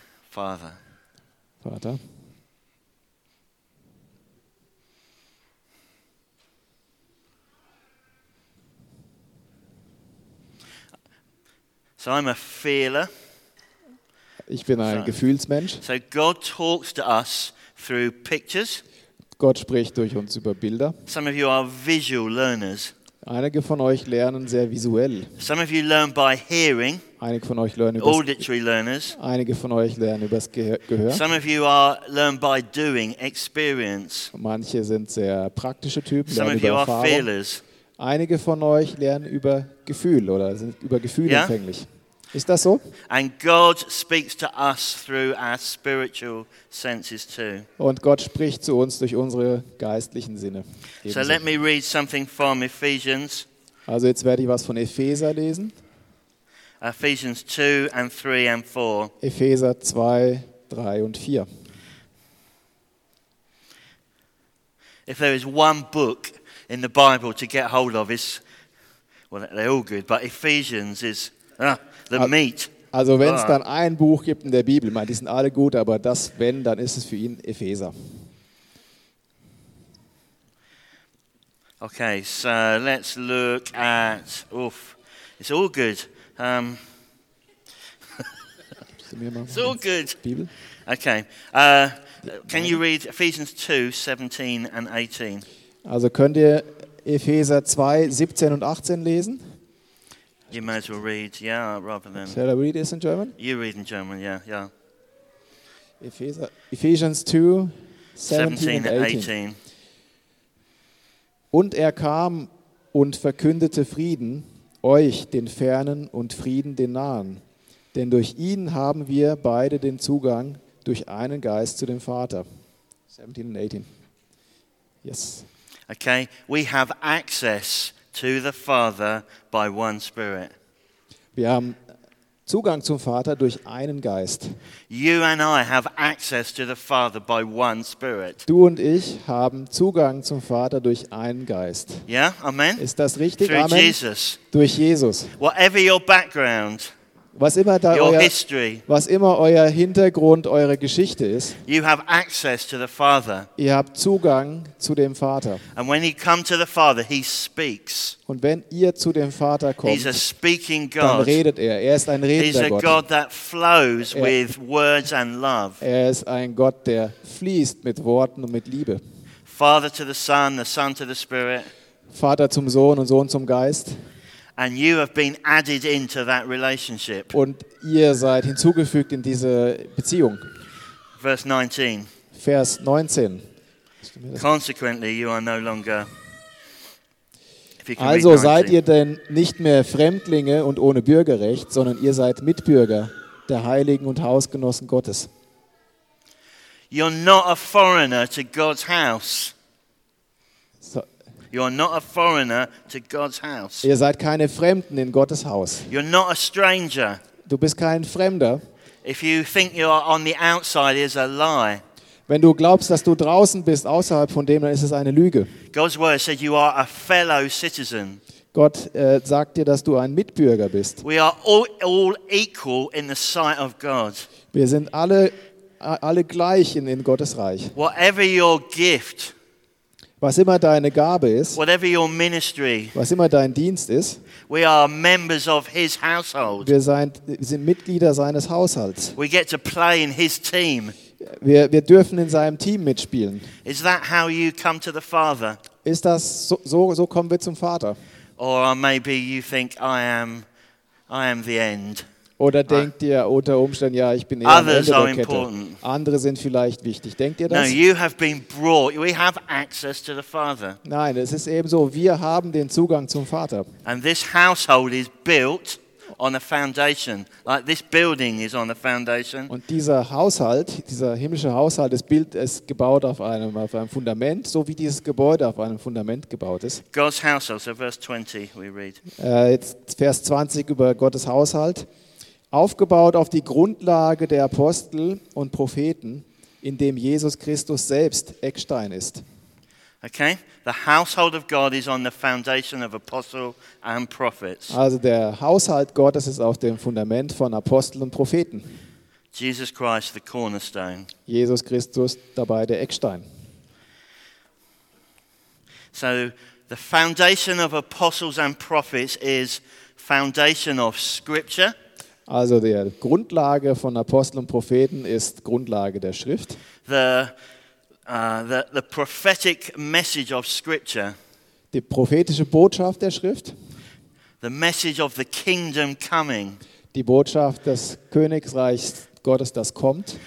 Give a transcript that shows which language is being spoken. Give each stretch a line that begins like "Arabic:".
English: Father.
German: Vater.
English: So I'm a feeler.
German: Ich bin ein Gefühlsmensch.
English: So God talks to us through pictures.
German: Gott spricht durch uns über Bilder.
English: Some of you are visual learners.
German: Einige von euch lernen sehr visuell.
English: Some of you learn by hearing.
German: Einige von euch lernen
English: auditory learners.
German: Einige von euch lernen übers Gehör.
English: Some of you are learn by doing experience.
German: Manche sind sehr praktische Typen, lernen über
English: you
German: Erfahrung.
English: Are feelers.
German: Einige von euch lernen über Gefühl oder sind über Gefühle empfänglich. Yeah? Ist das so?
English: And God speaks to us through our spiritual senses too.
German: Und Gott spricht zu uns durch unsere geistlichen Sinne. Ebenso.
English: So let me read something from Ephesians.
German: Also jetzt werde ich was von Epheser lesen.
English: Ephesians 2 and 3 and 4.
German: Epheser 2, 3 und 4.
English: If there is one book in the Bible to get hold of, it's, well, they're all good, but Ephesians is the meat.
German: Also wenn es dann ein Buch gibt in der Bibel, meine, die sind alle gut, aber das wenn, dann ist es für ihn Epheser.
English: Okay, so let's look at, oof, it's all good. It's all good.
German: Bibel.
English: Okay, can you read Ephesians 2, 17 and 18?
German: Also könnt ihr Epheser 2, 17 und 18 lesen?
English: You might as well read, yeah, rather than... Shall I read this in German? You read in German, yeah, yeah. Ephesians 2, 17 and 18.
German: Und er kam und verkündete Frieden, euch den Fernen und Frieden den Nahen. Denn durch ihn haben wir beide den Zugang durch einen Geist zu dem Vater.
English: 17 and 18. Yes. Okay, we have access to the Father by one Spirit.
German: Wir haben Zugang zum Vater durch einen Geist.
English: You and I have access to the Father by one Spirit.
German: Du und ich haben Zugang zum Vater durch einen Geist.
English: Yeah, amen.
German: Ist das richtig?
English: Through amen. Jesus.
German: Durch Jesus.
English: Whatever your background.
German: Was immer da
English: your
German: euer
English: history,
German: was immer euer Hintergrund, eure Geschichte ist.
English: You have access to the Father.
German: Ihr habt Zugang zu dem Vater.
English: And when you come to the Father, he speaks.
German: Und wenn ihr zu dem Vater kommt,
English: he's a speaking God.
German: Dann redet er. Er ist ein redender
English: he's a
German: Gott.
English: God that flows with words and love.
German: Er ist ein Gott, der fließt mit Worten und mit Liebe.
English: Father to the Son to the Spirit.
German: Vater zum Sohn und Sohn zum Geist.
English: And you have been added into that relationship.
German: Und ihr seid hinzugefügt in diese Beziehung.
English: Verse 19.
German: Vers 19.
English: Consequently, you are no longer.
German: Also seid ihr denn nicht mehr Fremdlinge und ohne Bürgerrecht, sondern ihr seid Mitbürger der Heiligen und Hausgenossen Gottes.
English: You're not a foreigner to God's house. You are not a foreigner to God's house.
German: Ihr seid keine Fremden in Gottes Haus.
English: You're not a stranger.
German: Du bist kein Fremder.
English: If you think you are on the outside, it is a lie.
German: Wenn du glaubst, dass du draußen bist, außerhalb von dem, dann ist es eine Lüge.
English: God's word said you are a fellow citizen.
German: Gott sagt dir, dass du ein Mitbürger bist.
English: We are all equal in the sight of God.
German: Wir sind alle gleich in Gottes Reich.
English: Whatever your gift.
German: Was immer deine Gabe ist,
English: whatever your ministry,
German: was immer dein Dienst ist,
English: we are members of his household.
German: Wir sind Mitglieder seines Haushalts.
English: We get to play in his team.
German: Wir dürfen in seinem Team mitspielen.
English: Is that how you come to the Father?
German: Ist das so kommen wir zum Vater?
English: Or maybe you think I am the end.
German: Oder denkt ihr unter Umständen, ja, ich bin eher
English: others
German: am Ende der
English: are
German: Kette.
English: Important.
German: Andere sind vielleicht wichtig. Denkt ihr das?
English: No, you have been brought. We have access to the Father.
German: Nein, es ist eben so, wir haben den Zugang zum Vater.
English: And this household is built on a foundation. Like this building is on a foundation.
German: Und dieser Haushalt, dieser himmlische Haushalt, ist gebaut auf einem Fundament, so wie dieses Gebäude auf einem Fundament gebaut ist.
English: God's household, so verse 20 we read.
German: Jetzt Vers 20 über Gottes Haushalt. Aufgebaut auf die Grundlage der Apostel und Propheten, in dem Jesus Christus selbst Eckstein ist.
English: Okay, the household of God is on the foundation of apostles and prophets.
German: Also der Haushalt Gottes ist auf dem Fundament von Aposteln und Propheten.
English: Jesus Christ, the cornerstone.
German: Jesus Christus dabei der Eckstein.
English: So the foundation of apostles and prophets is foundation of Scripture.
German: Also die Grundlage von Aposteln und Propheten ist Grundlage der Schrift.
English: The prophetic message of Scripture.
German: Die prophetische Botschaft der Schrift.
English: The message of the kingdom coming.
German: Die Botschaft des Königreichs Gottes, das kommt.